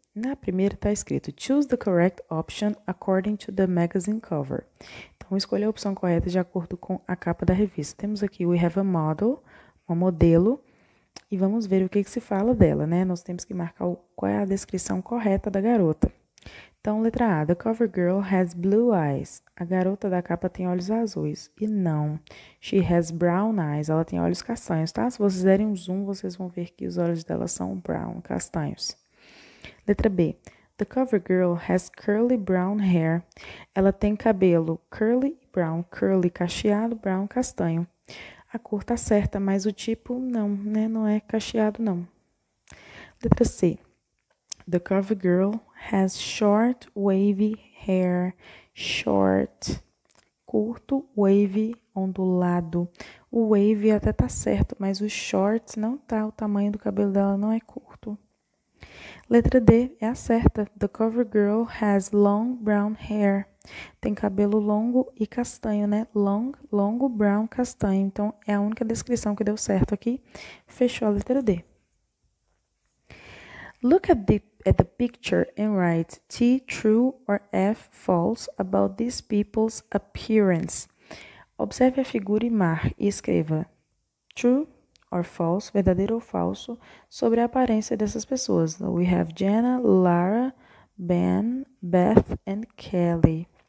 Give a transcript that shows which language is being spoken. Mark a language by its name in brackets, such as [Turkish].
[Portuguese] Na primeira está escrito: [English] Choose the correct option according to the magazine cover. [Portuguese] Então, escolha a opção correta de acordo com a capa da revista. Temos aqui: [English] We have a model, [Portuguese] uma modelo, e vamos ver o que que se fala dela, né? Nós temos que marcar qual é a descrição correta da garota. Então, letra A: [English] The cover girl has blue eyes. [Portuguese] A garota da capa tem olhos azuis. E não, [English] she has brown eyes. [Portuguese] Ela tem olhos castanhos, tá? Se vocês derem um zoom, vocês vão ver que os olhos dela são brown, castanhos. Letra B. [English] The cover girl has curly brown hair. [Portuguese] Ela tem cabelo curly brown, curly cacheado, brown castanho. A cor tá certa, mas o tipo não, né? Não é cacheado, não. Letra C. [English] The cover girl has short wavy hair. [Portuguese] Short, curto, wavy, ondulado. O wavy até tá certo, mas o short não tá. O tamanho do cabelo dela não é curto. Letra D é a certa. [English] The cover girl has long brown hair. [Portuguese] Tem cabelo longo e castanho, né? Long, longo, brown, castanho. Então, é a única descrição que deu certo aqui. Fechou a letra D. [English] Look at the picture and write T true or F false about these people's appearance. [Portuguese] Observe a figura e marque e escreva [English] true or false, [Portuguese] verdadeiro ou falso, sobre a aparência dessas pessoas. [English] We have Jenna, Lara, Ben, Beth and Kelly.